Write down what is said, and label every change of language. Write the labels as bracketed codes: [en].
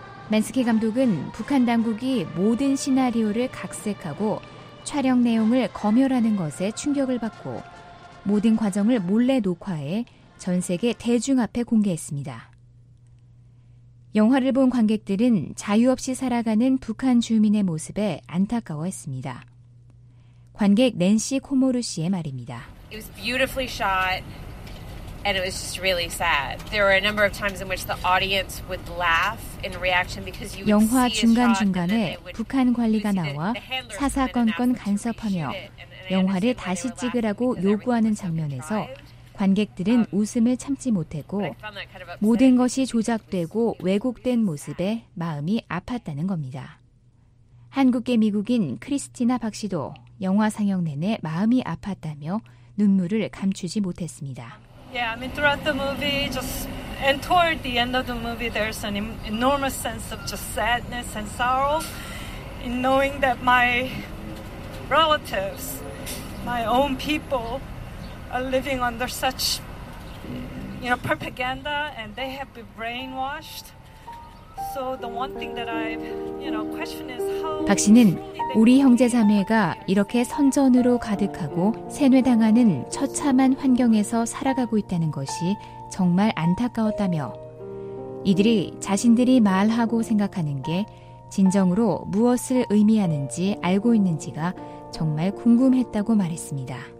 [ko] 만스키 감독은 북한 당국이 모든 시나리오를 각색하고 촬영 내용을 검열하는 것에 충격을 받고 모든 과정을 몰래 녹화해 전 세계 대중 앞에 공개했습니다. 영화를 본 관객들은 자유 없이 살아가는 북한 주민의 모습에 안타까워했습니다. 관객 낸시 코모루 씨의 말입니다. [en] It was beautifully shot and it was just really sad. There were a number of times in which the audience would laugh in reaction because you would [ko] 영화 중간중간에 북한 관리가 나와 사사건건 간섭하며 영화를 다시 찍으라고 요구하는 장면에서 관객들은 웃음을 참지 못했고 모든 것이 조작되고 왜곡된 모습에 마음이 아팠다는 겁니다. 한국계 미국인 크리스티나 박 씨도 영화 상영 내내 마음이 아팠다며 눈물을 감추지 못했습니다. [en] Yeah, I mean throughout the movie just and toward the end of the movie there's an enormous sense of just sadness and sorrow in knowing that my relatives, my own people are living under such, you know, propaganda, and they have been brainwashed. So the one thing that I've, you know, question is how. [ko] 박 씨는 우리 형제 자매가 이렇게 선전으로 가득하고 세뇌당하는 처참한 환경에서 살아가고 있다는 것이 정말 안타까웠다며 이들이 자신들이 말하고 생각하는 게 진정으로 무엇을 의미하는지 알고 있는지가 정말 궁금했다고 말했습니다.